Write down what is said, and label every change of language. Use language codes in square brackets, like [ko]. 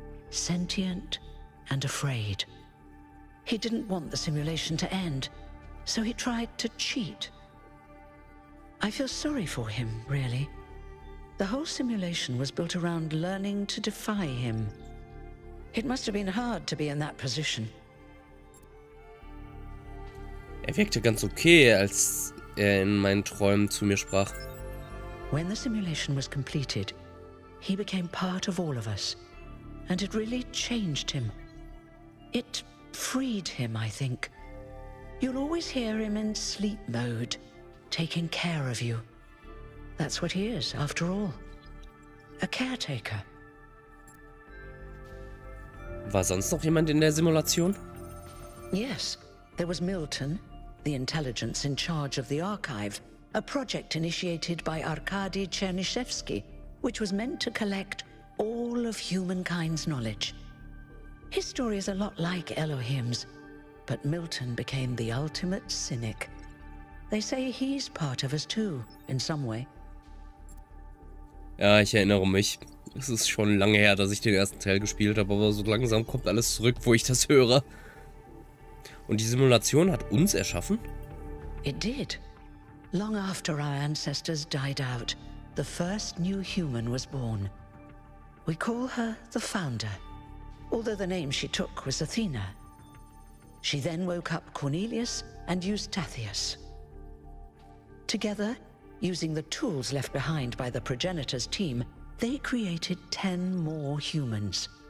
[en] Sentient and afraid. He didn't want the simulation to end, so he tried to cheat. I feel sorry for him, really. The whole simulation was built around learning to defy him. It must have been hard to be in that position. [de] Er wirkte ganz okay, als er in meinen Träumen zu mir sprach. [en] When the simulation was completed, he became part of all of us. And it really changed him. It freed him, I think. You'll always hear him in sleep mode. taking care of you. That's what he is, after all. A caretaker. [de] War sonst noch jemand in der Simulation? [en] Yes, there was Milton, the intelligence in charge of the archive, a project initiated by Arkady Chernyshevsky, which was meant to collect all of humankind's knowledge. His story is a lot like Elohim's, but Milton became the ultimate cynic. They say he's part of us too, in some way. [de] Ja, ich erinnere mich. Es ist schon lange her, dass ich den ersten Teil gespielt habe, aber so langsam kommt alles zurück, wo ich das höre. Und die Simulation hat uns erschaffen? [en] It did. Long after our ancestors died out, the first new human was born. We call her the Founder, although the name she took was Athena. She then woke up Cornelius and Eustathius. Together, using the tools left behind by the progenitor's team, they created 10 more humans.